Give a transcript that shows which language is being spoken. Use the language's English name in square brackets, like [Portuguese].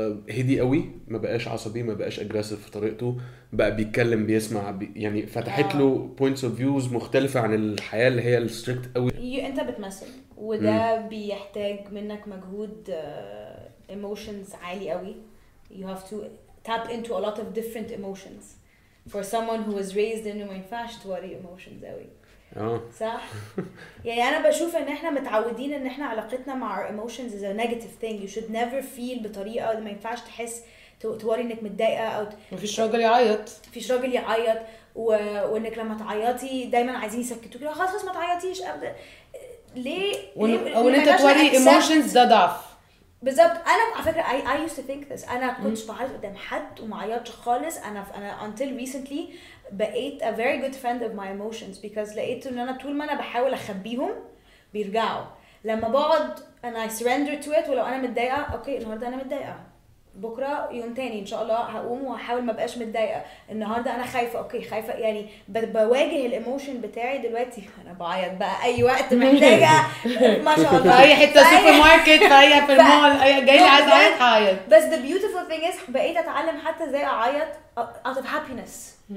[Arabic] هدي قوي, ما بقاش عصبي, ما بقاش اجريسيف في طريقته, بقى بيتكلم بيسمع يعني فتحت له [English] points of views [Arabic] مختلفة عن الحياة اللي هي الستريكت قوي. انت بتمثل وده بيحتاج منك مجهود emotions عالي قوي. [English] You have to tap into a lot of different emotions for someone who was raised in my fashion to worry emotions قوي. [Arabic] صح. يعني انا بشوف ان احنا متعودين ان احنا علاقتنا مع [English] our emotions is a negative thing. You should never feel [Arabic] بطريقه ما ينفعش تحس توري انك متضايقه او مفيش راجل يعيط. مفيش راجل يعيط وانك لما تعيطي دايما عايزين يسكتوك, خلاص خلاص ما تعيطيش ابدا. ليه او انت توري emotions ده ضعف بالظبط. انا على فكره [English] I used to think this. [Arabic] انا كنت بعيط قدام حد ومعيطش خالص. انا [English] until recently [Arabic] بقيت [English] a very good friend of my emotions because [Arabic] لقيت ان انا طول ما انا بحاول اخبيهم بيرجعوا. لما بقعد انا [English] I surrender to it, [Arabic] ولو انا متضايقه اوكي النهارده انا متضايقه, بكره يوم تاني ان شاء الله هقوم وهحاول ما بقاش متضايقه, النهارده انا خايفه اوكي خايفه, يعني بواجه الايموشن بتاعي. دلوقتي انا بعيط بقى اي وقت محتاجه ما شاء الله اي حته سوبر ماركت اي في المول اي جاي عايز اعيط. بس [English] the beautiful thing is [Arabic] بقيت اتعلم حتى ازاي اعيط [English] out of happiness.